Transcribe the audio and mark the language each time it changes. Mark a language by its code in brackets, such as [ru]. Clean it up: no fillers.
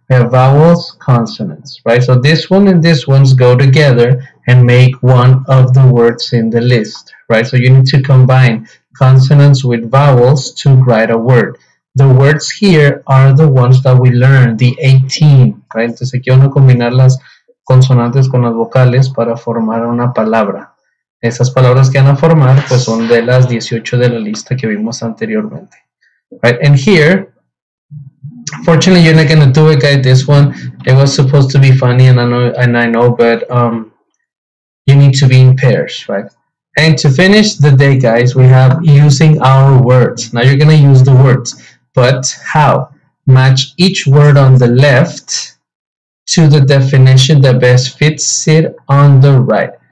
[en] We have vowels, consonants, right? So this one and this one go together and make one of the words in the list, right? So you need to combine consonants with vowels to write a word. The words here are the ones that we learned, the 18, right? [es] Entonces aquí uno combinar las consonantes con las vocales para formar una palabra. Esas palabras que van a formar, pues son de las 18 de la lista que vimos anteriormente. [en] Right? And here, fortunately, you're not going to do it, guys. This one, it was supposed to be funny, and I know, but you need to be in pairs, right? And to finish the day, guys, we have using our words. Now you're going to use the words, but how? Match each word on the left to the definition that best fits it on the right.